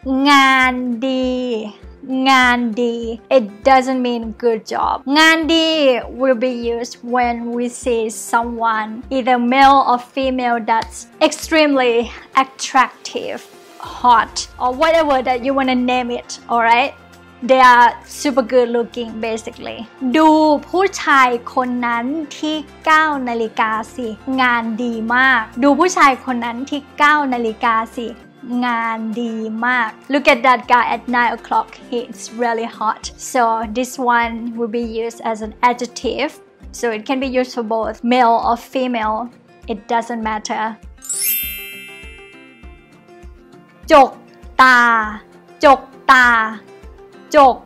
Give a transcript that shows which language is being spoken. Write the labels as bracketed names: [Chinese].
[Thai] งานดีงานดี [English] it doesn't mean good job. งานดี will be used when we see someone either male or female that's extremely attractive, hot, or whatever that you want to name it, alright? They are super good looking basically. [Thai] ดูผู้ชายคนนั้นที่9นาฬิกาสิงานดีมากดูผู้ชายคนนั้นที่9นาฬิกาสิงานดีมาก [English] Look at that guy at 9 o'clock. He's really hot. So this one will be used as an adjective. So it can be used for both male or female. It doesn't matter. [Thai] จกตาจกตาจก